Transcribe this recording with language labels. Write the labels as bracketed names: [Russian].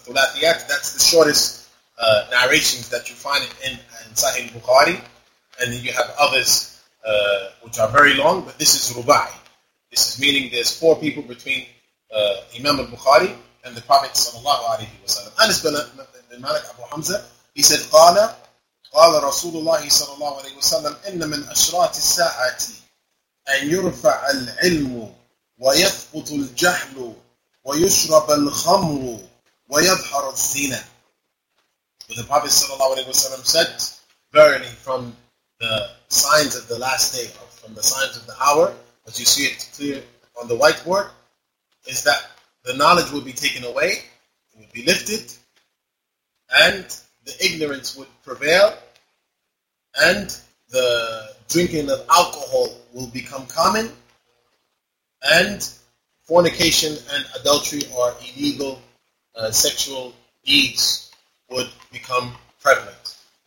[English] Thulathiyat, that's the shortest narrations that you find in Sahih Bukhari. And then you have others which are very long, but this is Ruba'i. This is meaning there's four people between Imam al-Bukhari and the Prophet sallallahu alayhi wa sallam. [Arabic] Anas bin Malik Abu Hamza, [English] he said, [Arabic] قال رسول الله صلى الله عليه وسلم إن من أشراط الساعة أن يرفع العلم ويثبط الجهل ويشرب الخمر ويظهر الزنا. [English] The Prophet صلى الله عليه وسلم said, verily from the signs of the last day, from the signs of the hour, as you see it clear on the whiteboard, is that the knowledge will be taken away, it will be lifted, and the ignorance would prevail, and the drinking of alcohol will become common, and fornication and adultery or illegal sexual deeds would become prevalent.